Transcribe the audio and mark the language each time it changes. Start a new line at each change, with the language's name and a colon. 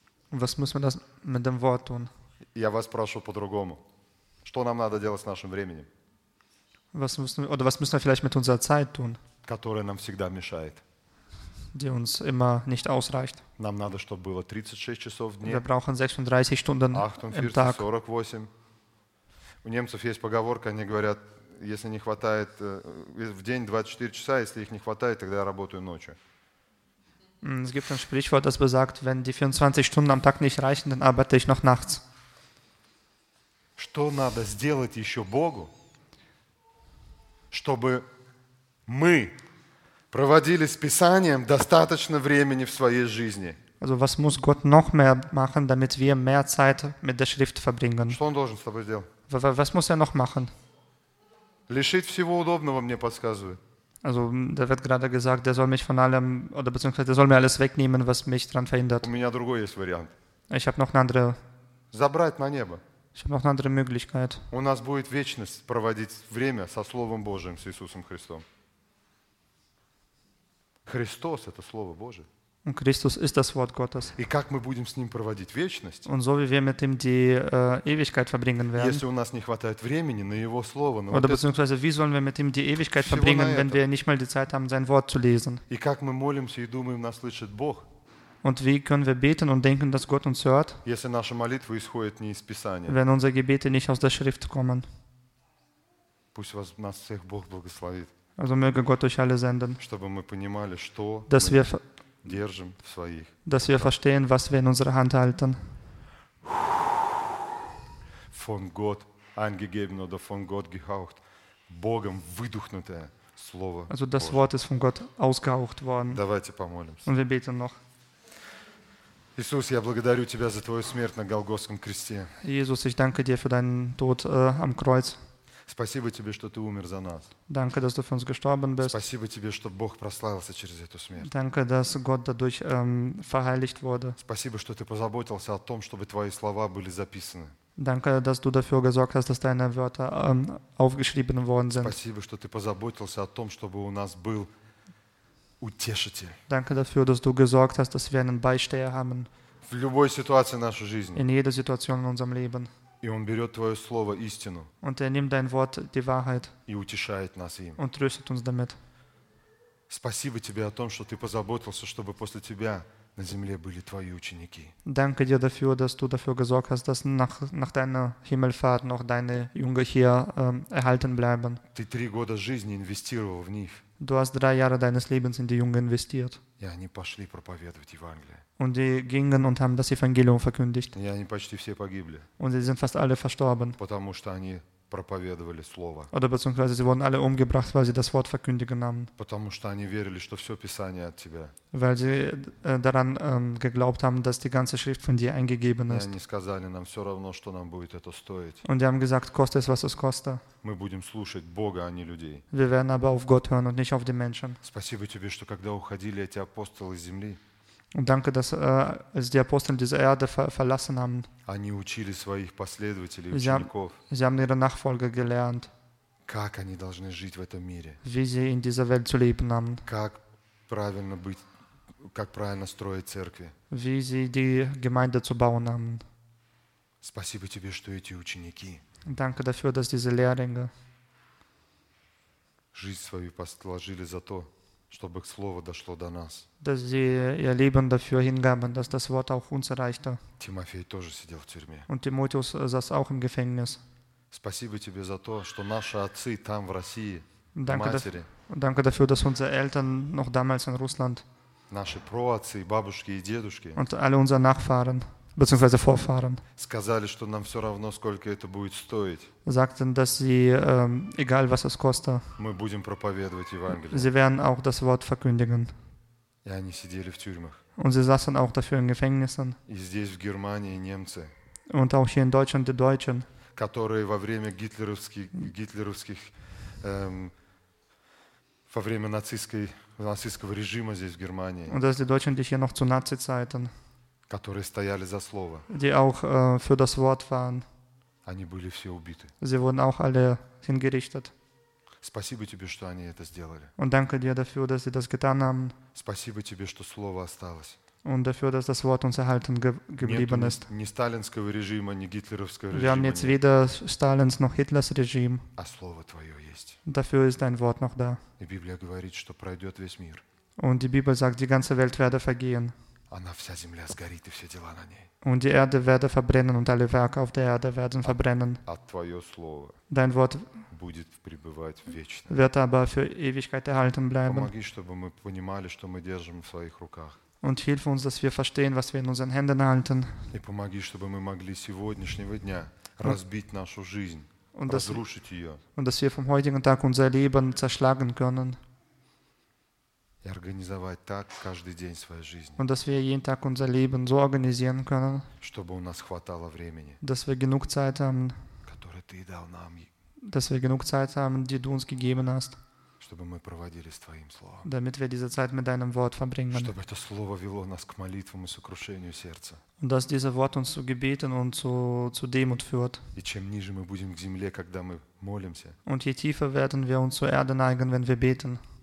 German: Was müssen wir das mit dem Wort tun?
Russian: Я вас прошу по-другому. Что нам надо делать с нашим временем?
German: Was müssen wir vielleicht mit unserer Zeit tun?
Russian: Которая нам всегда мешает.
German: Die uns immer nicht ausreicht.
Russian: Нам надо, чтобы было 36 часов в дне.
German: Wir brauchen 36 Stunden im Tag. 48, 48.
Russian: У немцев есть поговорка, они говорят, если не хватает в день 24 часа, если их не хватает, тогда я работаю ночью.
German: Es gibt ein Sprichwort, das besagt, wenn die 24 Stunden am Tag nicht reichen, dann arbeite ich noch nachts.
Russian: Что надо сделать еще Богу, чтобы мы проводили с Писанием достаточно времени в своей жизни?
German: Also was muss Gott noch mehr machen, damit wir mehr Zeit mit der Schrift verbringen?
Russian: Что он должен с тобой сделать?
German: Was muss er noch machen?
Russian: Лишить всего удобного, мне подсказывают.
German: Also, da wird gerade gesagt, der soll mich von allem, oder beziehungsweise der soll mir alles wegnehmen, was mich daran verhindert.
Russian: У меня другой есть вариант.
German: Ich habe noch eine andere.
Russian: Забрать на небо.
German: Ich habe noch eine andere Möglichkeit.
Russian: У нас будет вечность проводить время со Словом Божьим, с Иисусом Христом. Христос – это Слово Божие.
German: Und Christus ist das Wort Gottes.
Russian: И как мы будем с ним проводить вечность?
German: Und so wie wir mit ihm die Ewigkeit verbringen werden.
Russian: Если у нас не хватает времени на его слово, на
German: oder
Russian: вот
German: beziehungsweise
Russian: это...
German: wie sollen wir mit ihm die Ewigkeit
Russian: всего
German: verbringen, wenn
Russian: это...
German: wir nicht mal die Zeit haben, sein Wort zu lesen?
Russian: И как мы молимся и думаем, нас слышит Бог?
German: Und wie können wir beten und denken, dass Gott uns hört?
Russian: Если наша молитва исходит не из Писания.
German: Wenn unsere Gebete nicht aus der Schrift kommen.
Russian: Пусть вас нас всех Бог благословит.
German: Also möge Gott euch alle senden.
Russian: Чтобы мы понимали, что.
German: Dass
Russian: мы...
German: wir
Russian: держим в своих.
German: Dass wir verstehen, was wir in unserer Hand halten. Von Gott angegeben oder von Gott gehaucht.
Russian: Богом выдохнутое слово.
German: Also das Wort ist von Gott ausgehaucht worden.
Russian: Давайте помолимся.
German: Und wir beten noch.
Russian: Иисус, я благодарю тебя за твою смерть на Голгофском кресте.
German: Jesus, ich danke dir für deinen Tod am Kreuz.
Russian: Спасибо тебе, что ты умер за нас.
German: Danke, dass du für uns gestorben bist.
Russian: Спасибо тебе, что Бог прославился через эту смерть.
German: Danke, dass Gott dadurch verheiligt wurde.
Russian: Спасибо, что ты позаботился о том, чтобы твои слова были записаны.
German: Danke, dass du dafür gesorgt hast, dass deine Wörter aufgeschrieben worden sind.
Russian: Спасибо, что ты позаботился о том, чтобы у нас был утешитель.
German: Danke dafür, dass du gesorgt hast, dass wir einen Beisteher haben.
Russian: В любой ситуации нашей жизни.
German: In jeder Situation in unserem Leben.
Russian: И он берет твое слово истину.
German: Und er nimmt dein Wort, die Wahrheit,
Russian: и утешает нас им.
German: Und tröstet uns damit.
Russian: Спасибо тебе о том, что ты позаботился, чтобы после тебя на земле были твои ученики.
German: Danke dir dafür, dass du dafür gesorgt hast, dass nach deiner Himmelfahrt noch deine Jünger hier erhalten bleiben.
Russian: Ты 3 года жизни инвестировал в них.
German: Du hast 3 Jahre deines Lebens in die Jünger investiert.
Russian: И они пошли проповедовать Евангелие.
German: Und die gingen und haben das Evangelium verkündigt.
Russian: И они почти все погибли.
German: Und sie sind fast alle verstorben.
Russian: Потому что они проповедовали Слово.
German: Oder beziehungsweise sie wurden alle umgebracht, weil sie das Wort verkündigen haben.
Russian: Потому что они верили, что все Писание от тебя.
German: Weil sie daran geglaubt haben, dass die ganze Schrift von dir eingegeben ist.
Russian: И они сказали, нам все равно, что нам будет это стоить.
German: Und die haben gesagt, koste es, was es koste.
Russian: Мы будем слушать Бога, а не людей.
German: Wir werden aber auf Gott hören und nicht auf die Menschen.
Russian: Спасибо тебе, что когда уходили эти апостолы с земли.
German: Und danke, dass die Apostel diese Erde verlassen haben.
Russian: Они учили своих последователей, учеников.
German: Sie haben ihre Nachfolger gelernt.
Russian: Как они должны жить в этом мире?
German: Wie sie in dieser Welt zu leben haben.
Russian: Как правильно быть, как правильно строить церкви?
German: Wie sie die Gemeinde zu bauen haben.
Russian: Спасибо тебе, что эти ученики.
German: Danke dafür, dass diese Lehrlinge.
Russian: Жизнь свою положили за то. Чтобы слово дошло до нас.
German: Dass sie ihr Leben dafür hingaben, dass das Wort auch uns erreichte.
Russian: Тимофей тоже сидел в тюрьме.
German: Und Timotheus saß auch im Gefängnis.
Russian: Спасибо тебе за то, что наши отцы там в России,
German: danke
Russian: матери.
German: Danke dafür, dass unsere Eltern noch damals in Russland.
Russian: Наши проотцы, бабушки и дедушки.
German: Und alle unsere Nachfahren bzw. Vorfahren.
Russian: Сказали, что нам все равно, сколько это будет стоить.
German: Sagten, dass sie, egal was es kostet,
Russian: мы будем проповедовать Евангелие.
German: Sie werden auch das Wort verkündigen.
Russian: И они сидели в тюрьмах.
German: Und sie saßen auch dafür in Gefängnissen.
Russian: И здесь, в Германии, немцы.
German: Und auch hier in Deutschland, die Deutschen.
Russian: Которые во время гитлеровских во время нацистского режима здесь, в Германии.
German: Und dass die Deutschen, die hier noch zu Nazi-Zeiten,
Russian: которые стояли за слово.
German: Die auch, für das Wort waren.
Russian: Они были все убиты.
German: Sie wurden auch alle hingerichtet.
Russian: Спасибо тебе, что они это сделали.
German: Und danke dir dafür, dass sie das getan haben.
Russian: Спасибо тебе, что слово осталось.
German: Und dafür, dass das Wort uns erhalten geblieben ist.
Russian: Ни сталинского режима, ни гитлеровского режима.
German: Wir haben jetzt weder Stalins noch Hitlers Regime.
Russian: А слово твое есть.
German: Dafür ist dein Wort noch da.
Russian: И Библия говорит, что пройдет весь мир.
German: Und die Bibel sagt, die ganze Welt werde vergehen.
Russian: Она вся земля сгорит и все дела на ней.
German: Und die Erde werde verbrennen und alle Werke auf der Erde werden verbrennen.
Russian: А твое слово.
German: Dein Wort
Russian: будет пребывать вечно.
German: Wird aber für Ewigkeit erhalten bleiben.
Russian: Помоги, чтобы мы понимали, что мы держим в своих руках.
German: Und hilf uns, dass wir verstehen, was wir in unseren Händen halten.
Russian: И помоги, чтобы мы могли сегодняшнего дня разбить нашу жизнь, разрушить ее.
German: Und dass wir vom heutigen Tag unser Leben zerschlagen können.
Russian: И организовать так каждый день своей жизни.
German: Und dass wir jeden Tag unser Leben so organisieren können.
Russian: Чтобы у нас хватало времени.
German: Dass wir genug Zeit haben.
Russian: Которую ты дал нам.
German: Dass wir genug Zeit haben, die du uns gegeben hast.
Russian: Чтобы мы проводили с твоим словом.
German: Damit wir diese Zeit mit deinem Wort verbringen.
Russian: Чтобы это слово вело нас к молитвам и сокрушению сердца.
German: Und dass dieses Wort uns zu Gebeten und zu Demut führt.
Russian: И чем ниже мы будем к земле, когда мы молимся.
German: Und je tiefer werden wir uns zur Erde neigen, wenn wir beten.